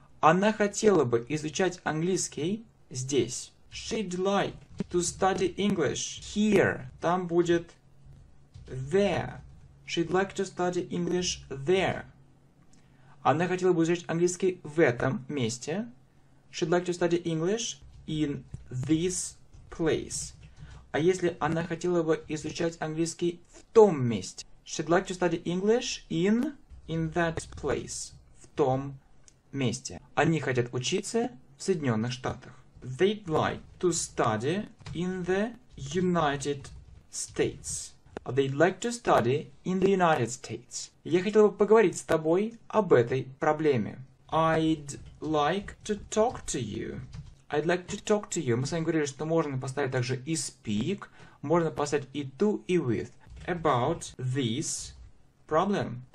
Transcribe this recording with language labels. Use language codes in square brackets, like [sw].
[ru] Она хотела бы изучать английский здесь. [en] She'd like to study English here. [ru] Там будет [en] there. She'd like to study English there. [ru] Она хотела бы изучать английский в этом месте. [en] She'd like to study English in this place. [ru] А если она хотела бы изучать английский в том месте? [en] She'd like to study English in that place. [ru] В том месте. Они хотят учиться в Соединенных Штатах. [en] They'd like to study in the United States. They'd like to study in the United States. [ru] Я хотел бы поговорить с тобой об этой проблеме. [en] I'd like to talk to you. [ru] I'd like to talk to you. Мы с вами говорили, что можно поставить также и speak, можно поставить и to, и with. [en] About this problem.